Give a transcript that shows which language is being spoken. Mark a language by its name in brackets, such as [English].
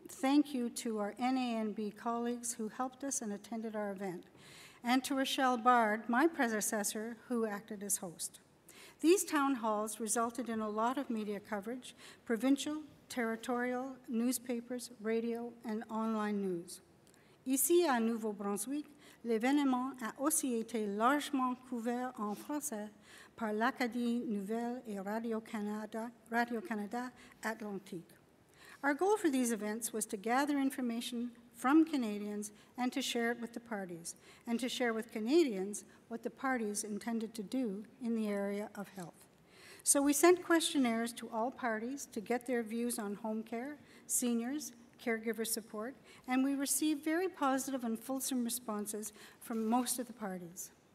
[English] Thank you to our NANB colleagues who helped us and attended our event, and to Rochelle Bard, my predecessor, who acted as host. These town halls resulted in a lot of media coverage, provincial, territorial, newspapers, radio, and online news. [French] Ici à Nouveau-Brunswick, l'événement a aussi été largement couvert en français par l'Acadie Nouvelle et Radio-Canada Atlantique. [English] Our goal for these events was to gather information from Canadians and to share it with the parties, and to share with Canadians what the parties intended to do in the area of health. So we sent questionnaires to all parties to get their views on home care, seniors, caregiver support, and we received very positive and fulsome responses from most of the parties.